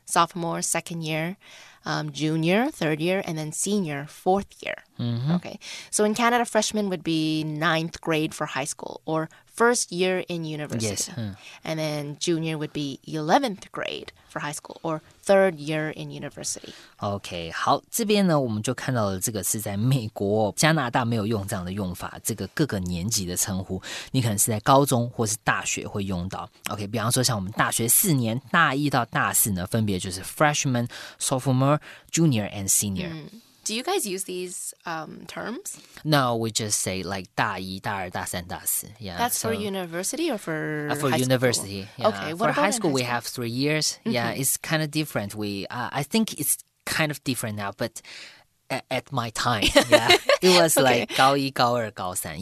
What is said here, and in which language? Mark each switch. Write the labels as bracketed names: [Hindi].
[English] Sophomore, second year. Junior, third year. And then senior, fourth year. Mm-hmm. Okay. So in Canada, freshman would be 9th grade for high school or first year in university. Yes. Hmm. And then junior would be 11th grade for high school or third year in university. [Chinese] Okay, 好，这边呢，我们就看到了这个是在美国、加拿大没有用这样的用法，这个各个年级的称呼，你可能是在高中或是大学会用到。 Okay, 比方说像我们大学四年，大一到大四呢，分别就是 [English] freshman, sophomore, junior and senior。 Do you guys use these terms? No, we just say like [Chinese] 大一、大二、大三、大四. [English] Yeah, that's so, for university or for high school? For university. Yeah. Okay, what for about high school, in high school? We have 3 years. Mm-hmm. Yeah, it's kind of different. I think it's kind of different now, but at my time, yeah, it was like [Chinese] 高一、高二、高三.